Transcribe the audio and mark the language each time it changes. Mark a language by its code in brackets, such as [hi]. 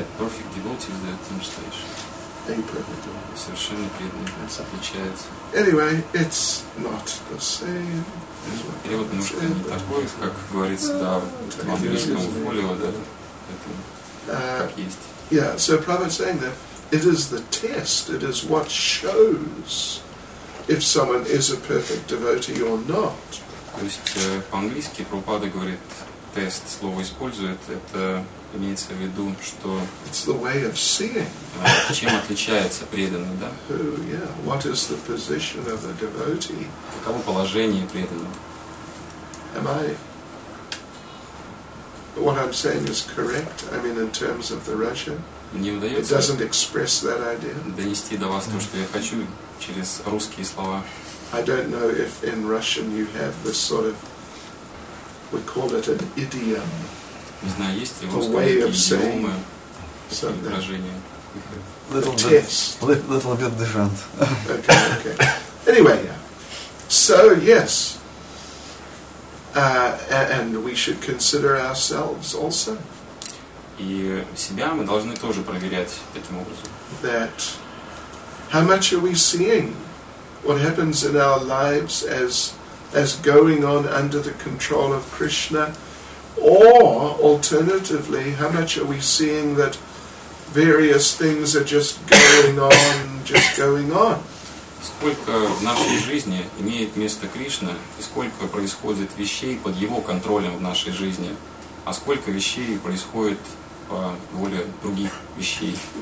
[en] A perfect devotee is the demonstration. A perfect devotee. [ru] Совершенно преданный. It's отличается. [en] Anyway, it's not the same. [ru] Перевод немножко не такой, как говорится, да, в английском фолио, да, это как есть. [en] Yeah, so Prabhupada saying that it is the test, it is what shows if someone is a perfect devotee or not. [ru] То есть по-английски Прабхупада говорит, тест слово использует, это имеется в виду, что [en] it's the way of seeing. [ru] Чем отличается преданный, да? [en] Who, yeah. What is the position of a devotee? [ru] Каково положение преданного? [en] Am I? What I'm saying is correct, I mean in terms of the Russian. [ru] Не удается. [en] It doesn't express that idea. [ru] Донести до вас то, что я хочу, через русские слова. [en] I don't know if in Russian you have this sort of, we call it an idiom. [ru] Не знаю, есть ли в русском языке идиомы, такие выражения. [en] Little bit different. Okay. Anyway, so yes, and we should consider ourselves also. [ru] И себя мы должны тоже проверять этим образом. [en] That, how much are we seeing? What happens in our lives as going on under the control of Krishna, or alternatively, how much are we seeing that various things are just going on, just going on? [ru] Сколько в нашей жизни имеет место Кришна, и сколько происходит вещей под его контролем в нашей жизни, а сколько вещей происходит по воле других вещей?